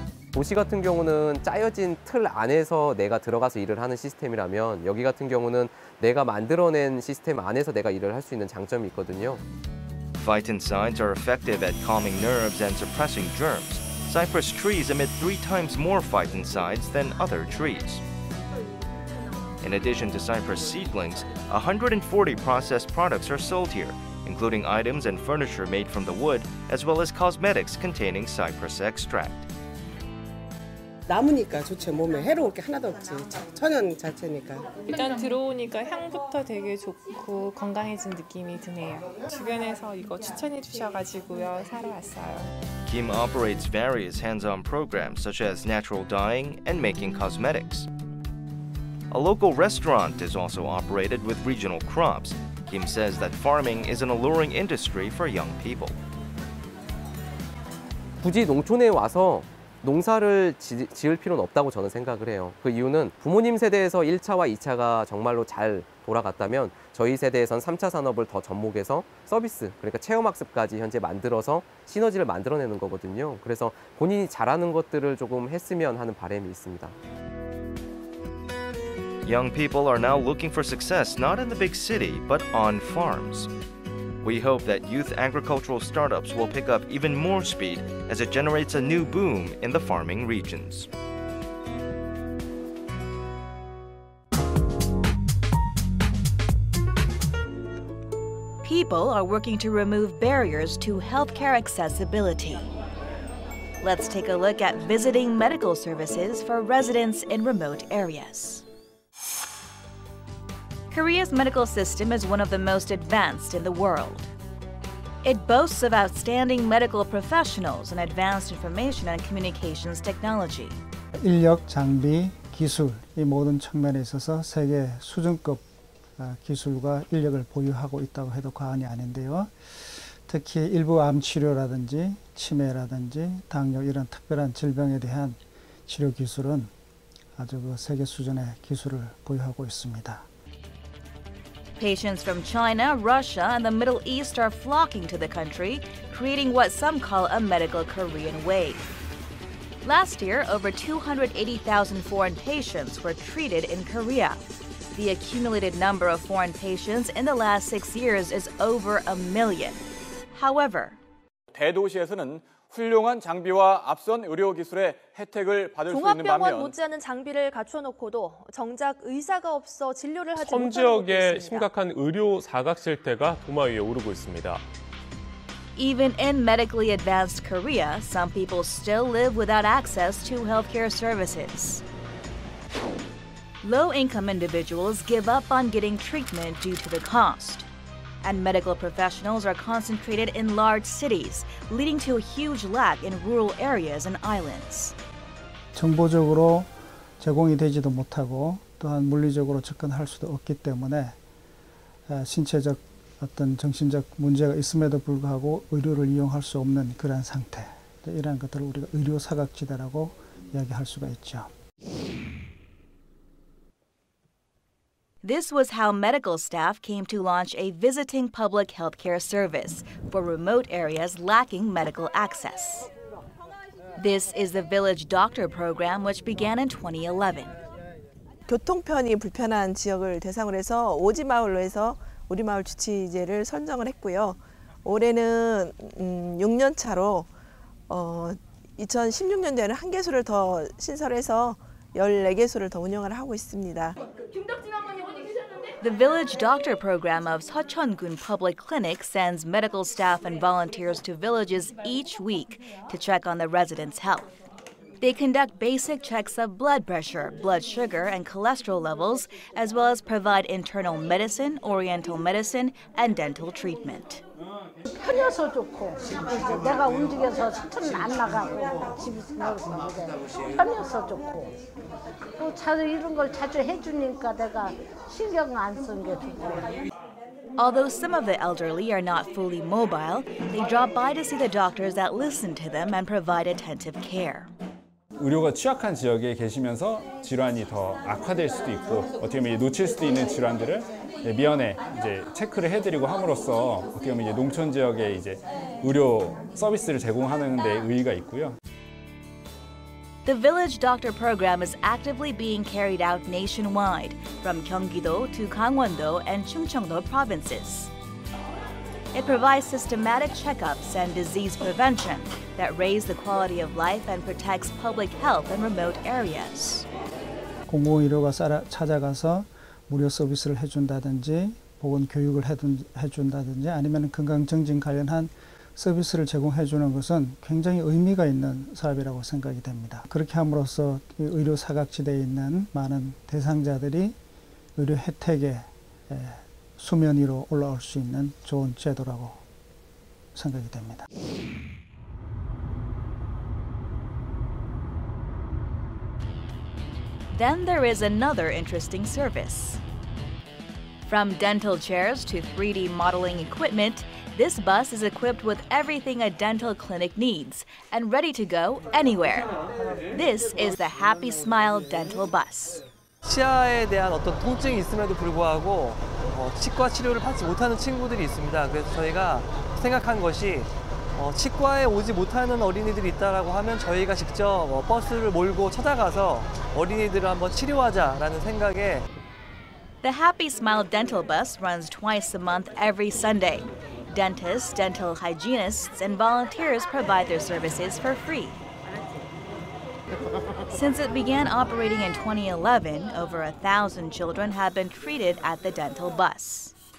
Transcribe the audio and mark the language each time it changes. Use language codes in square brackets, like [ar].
[ko] 도시 같은 경우는 짜여진 틀 안에서 내가 들어가서 일을 하는 시스템이라면 여기 같은 경우는 내가 만들어낸 시스템 안에서 내가 일을 할 수 있는 장점이 있거든요. [en] Phytoncides are effective at calming nerves and suppressing germs. Cypress trees emit 3 times more phytoncides than other trees. In addition to cypress seedlings, 140 processed products are sold here, including items and furniture made from the wood, as well as cosmetics containing cypress extract. [ko] 나무니까 좋지, 몸에 해로울 게 하나도 없지. 천연 자체니까. 일단 들어오니까 향부터 되게 좋고 건강해진 느낌이 드네요. 주변에서 이거 추천해 주셔가지고요, 사러 왔어요. [en] Kim operates various hands-on programs such as natural dyeing and making cosmetics. A local restaurant is also operated with regional crops. Kim says that farming is an alluring industry for young people. [ko] 굳이 농촌에 와서 농사를 지을 필요는 없다고 저는 생각을 해요. 그 이유는 부모님 세대에서 1차와 2차가 정말로 잘 돌아갔다면 저희 세대에선 3차 산업을 더 접목해서 서비스, 그러니까 체험학습까지 현재 만들어서 시너지를 만들어내는 거거든요. 그래서 본인이 잘하는 것들을 조금 했으면 하는 바람이 있습니다. [en] Young people are now looking for success not in the big city, but on farms. We hope that youth agricultural startups will pick up even more speed as it generates a new boom in the farming regions. People are working to remove barriers to healthcare accessibility. Let's take a look at visiting medical services for residents in remote areas. Korea's medical system is one of the most advanced in the world. It boasts of outstanding medical professionals and advanced information and communications technology. [ko] 인력, 장비, 기술, 이 모든 측면에 있어서 세계 수준급 기술과 인력을 보유하고 있다고 해도 과언이 아닌데요. 특히 일부 암 치료라든지 치매라든지 당뇨 이런 특별한 질병에 대한 치료 기술은 아주 그 세계 수준의 기술을 보유하고 있습니다. [en] Patients from China, Russia, and the Middle East are flocking to the country, creating what some call a medical Korean wave. Last year, over 280,000 foreign patients were treated in Korea. The accumulated number of foreign patients in the last 6 years is over a million. However, [ko] 대도시에서는 훌륭한 장비와 앞선 의료 기술의 혜택을 받을 수 있는 반면 종합병원 못지않은 장비를 갖춰놓고도 정작 의사가 없어 진료를 하지 못하는 곳이 있습니다. 섬 지역의 심각한 의료 사각실태가 도마 위에 오르고 있습니다. [en] Even in medically advanced Korea, some people still live without access to healthcare services. Low-income individuals give up on getting treatment due to the cost. And medical professionals are concentrated in large cities, leading to a huge lack in rural areas and islands. [ko] 정보적으로 제공이 되지도 못하고 또한 물리적으로 접근할 수도 없기 때문에 신체적 어떤 정신적 문제가 있음에도 불구하고 의료를 이용할 수 없는 그런 상태. 이런 것들을 우리가 의료 사각지대라고 이야기할 수가 있죠. [en] This was how medical staff came to launch a visiting public healthcare service for remote areas lacking medical access. This is the village doctor program which began in 2011. [ko] 교통편이 불편한 지역을 대상으로 해서 오지 마을로 해서 우리 마을 주치제를 선정을 했고요. 올해는 6년 차로 2016년도에는 한 개소를 더 신설해서 14개소를 더 운영을 하고 있습니다. [en] The Village Doctor Program of Seocheon-gun Public Clinic sends medical staff and volunteers to villages each week to check on the residents' health. They conduct basic checks of blood pressure, blood sugar, and cholesterol levels, as well as provide internal medicine, oriental medicine, and dental treatment. [ko] 편해서 좋고 이제 내가 움직여서 스트레스 안 나가고 집에서 나와서 이제 편해서 좋고 또 자주 이런 걸 자주 해주니까 내가 신경 안 쓴 게 좋고. [en] Although some of the elderly are not fully mobile, they drop by to see the doctors that listen to them and provide attentive care. [ko] 의료가 취약한 지역에 계시면서 질환이 더 악화될 수도 있고 어떻게 보면 이제 놓칠 수도 있는 질환들을 미연에 이제 체크를 해드리고 함으로써 어떻게 보면 이제 농촌 지역에 이제 의료 서비스를 제공하는 데 의의가 있고요. [en] The Village Doctor Program is actively being carried out nationwide from Gyeonggi-do to Gangwon-do and Chungcheong-do provinces. It provides systematic checkups and disease prevention that raise the quality of life and protects public health in remote areas. [ko] 공공의료가 찾아가서 무료 서비스를 해준다든지 혹은 교육을 해준다든지 아니면 건강증진 관련한 서비스를 제공해주는 것은 굉장히 의미가 있는 사업이라고 생각이 됩니다. 그렇게 함으로써 의료 사각지대에 있는 많은 대상자들이 의료 혜택의 수면 위로 올라올 수 있는 좋은 제도라고 생각이 됩니다. [en] 'Then there is another interesting service. From dental chairs to 3D modeling equipment, this bus is equipped with everything a dental clinic needs and ready to go anywhere. This is the Happy Smile Dental Bus. [ko] 치아에 대한 어떤 통증이 있음에도 불구하고 치과 치료를 받지 못하는 친구들이 있습니다. 그래서 저희가 생각한 것이 치과에 오지 못하는 어린이들이 있다라고 하면 저희가 직접 버스를 몰고 찾아가서 어린이들을 한번 치료하자라는 생각에 [en] The Happy Smile Dental Bus runs twice a month every Sunday. Dentists, dental hygienists, and volunteers provide their services for free. Since it began operating in 2011, over 1,000 children have been treated at the dental bus.